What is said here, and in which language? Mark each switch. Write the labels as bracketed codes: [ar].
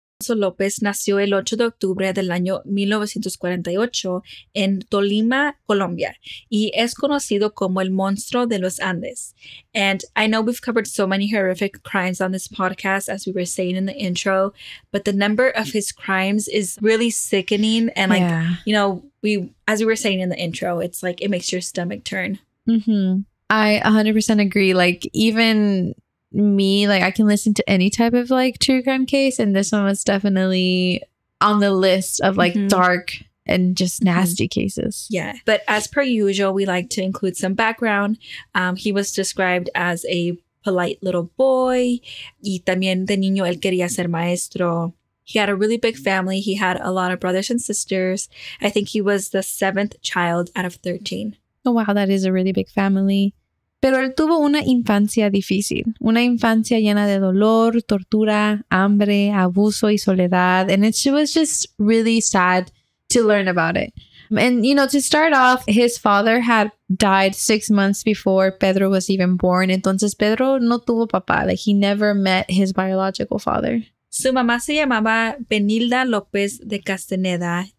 [es] López nació el 8 de octubre del año 1948 en Tolima, Colombia, y es conocido como el monstruo de los Andes. [en] And I know we've covered so many horrific crimes on this podcast, as we were saying in the intro, but the number of his crimes is really sickening. And like, you know, as we were saying in the intro, it's like it makes your stomach turn. Mm-hmm. I 100% agree. Like, even me, like, I can listen to any type of like true crime case, and this one was definitely on the list of like dark and just nasty cases. Yeah, but as per usual, we like to include some background. He was described as a polite little boy, [es] y también de niño él quería ser maestro. [en] He had a really big family. He had a lot of brothers and sisters. I think he was the 7th child out of 13. Oh wow, that is a really big family. [es] Pero él tuvo una infancia difícil, una infancia llena de dolor, tortura, hambre, abuso y soledad. [en] And it was just really sad to learn about it. And, you know, to start off, his father had died 6 months before Pedro was even born. [es] Entonces, Pedro no tuvo papá. [en] Like, he never met his biological father. [es] Su mamá se llamaba Benilda López de Castaneda.